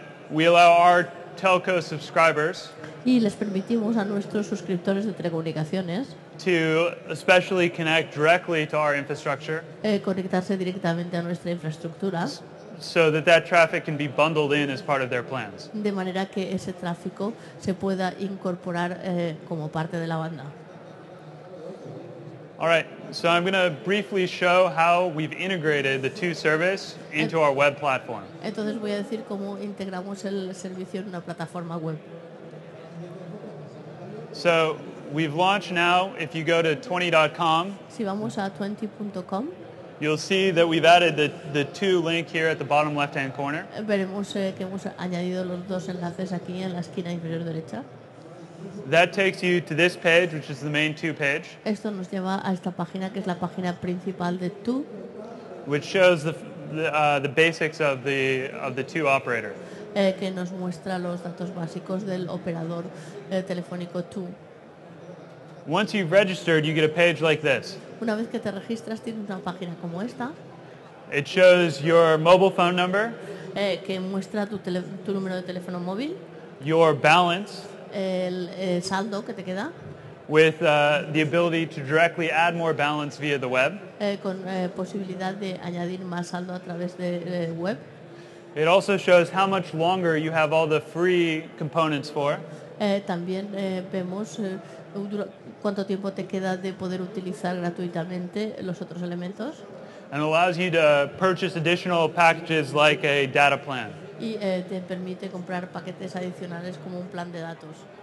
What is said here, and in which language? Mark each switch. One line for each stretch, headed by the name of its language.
English: We allow our telco subscribers.
Spanish: Y les permitimos a nuestros suscriptores de telecomunicaciones.
English: To especially connect directly to our infrastructure.
Spanish: Conectarse directamente a nuestra infraestructura.
English: So that traffic can be bundled in as part of their plans.
Spanish: De manera que ese tráfico se pueda incorporar como parte de la banda.
English: All right, so I'm going to briefly show how we've integrated the two service into our web platform.
Spanish: Entonces voy a decir cómo integramos el servicio en una plataforma web.
English: So we've launched now, if you go to 20.com,
Spanish: si vamos a 20.com,
English: you'll see that we've added the two link here at the bottom left-hand corner.
Spanish: Veremos que hemos añadido los dos enlaces aquí en la esquina inferior derecha.
English: That takes you to this page, which is the main two page.
Spanish: Esto nos lleva a esta página, que es la página principal de two.
English: Which shows the basics of the two operator.
Spanish: que nos muestra los datos básicos del operador telefónico tú.
English: Once you've registered, you get a page like this.
Spanish: Una vez que te registras, tienes una página como esta.
English: It shows your mobile phone number.
Spanish: Que muestra tu número de teléfono móvil.
English: Your balance.
Spanish: El saldo que te queda.
English: With the ability to directly add more balance via the web.
Spanish: Con posibilidad de añadir más saldo a través de web.
English: It also shows how much longer you have all the free components for.
Spanish: También vemos cuánto tiempo te queda de poder utilizar gratuitamente los otros elementos.
English: And allows you to purchase additional packages like a data plan.
Spanish: Y te permite comprar paquetes adicionales como un plan de datos.